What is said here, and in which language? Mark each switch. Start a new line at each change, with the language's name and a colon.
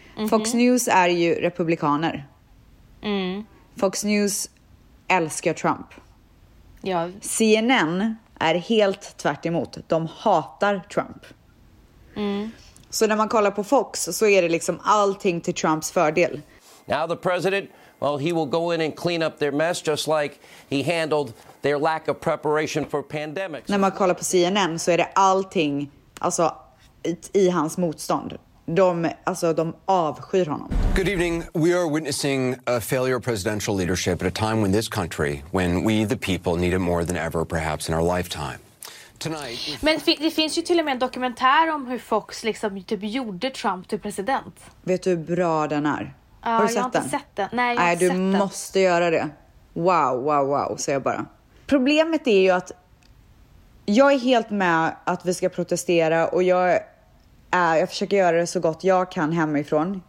Swedish: Fox News är ju republikaner. Fox News älskar Trump. Ja. CNN är helt tvärt emot. De hatar Trump. Så när man kollar på Fox så är det liksom allting till Trumps fördel.
English: Now the president, well, he will go in and clean up their mess just like he handled their lack of preparation for pandemics.
Swedish: När man kollar på CNN så är det allting, alltså i hans motstånd. De avskyr honom.
English: Good evening. We are witnessing a failure of presidential leadership at a time when this country, when we the people need it more than ever perhaps in our lifetime. Tonight.
Swedish: Men det finns ju till och med en dokumentär om hur Fox liksom typ gjorde Trump till president. Vet du hur bra den är? Har du sett den? Jag har inte sett den. Nej, du måste göra det. Wow, säger jag bara. Problemet är ju att jag är helt med att vi ska protestera och jag försöker göra det så gott jag kan hemifrån.